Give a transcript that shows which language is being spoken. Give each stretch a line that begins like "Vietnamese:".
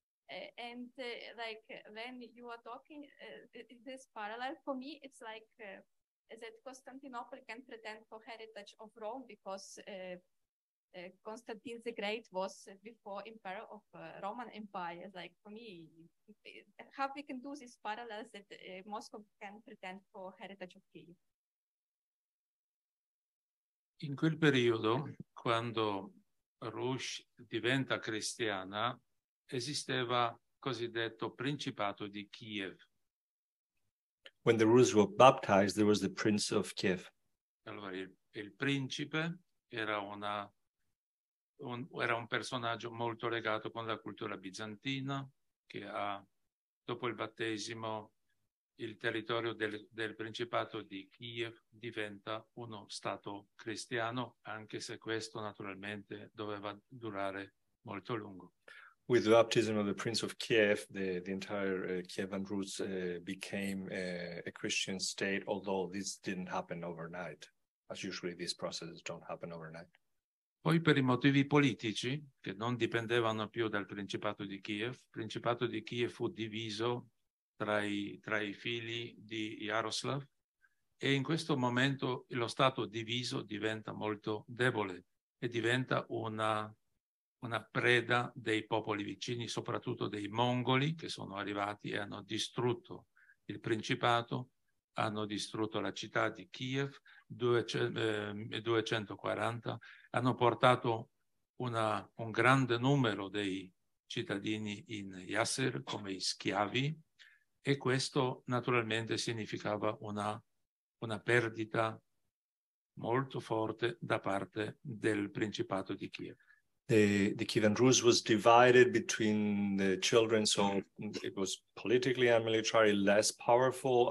English: And like when you are talking this parallel, for me it's like that Constantinople can pretend for heritage of Rome because Constantine the Great was before Emperor of Roman Empire. Like for me, how we can do these parallels that Moscow can pretend for heritage of Kyiv?
Italian: In quel periodo, quando Rus diventa cristiana, esisteva cosiddetto Principato di Kiev.
English: When the Rus were baptized, there was the Prince of Kiev.
Italian: Allora, il principe era un personaggio molto legato con la cultura bizantina, che ha, dopo il battesimo, il territorio del Principato di Kiev diventa uno stato cristiano, anche se questo naturalmente doveva durare molto lungo.
English: With the baptism of the Prince of Kiev, the entire Kievan Rus became a Christian state, although this didn't happen overnight, as usually these processes don't happen overnight.
Italian: Poi per i motivi politici, che non dipendevano più dal Principato di Kiev, il Principato di Kiev fu diviso tra i figli di Yaroslav, e in questo momento lo Stato diviso diventa molto debole e diventa una preda dei popoli vicini, soprattutto dei mongoli che sono arrivati e hanno distrutto il principato, hanno distrutto la città di Kiev 240, hanno portato un grande numero dei cittadini in Yasser come schiavi, e questo naturalmente significava una perdita molto forte da parte del principato di Kiev.
English: The Kievan Rus was divided between the children, so it was politically and militarily less powerful.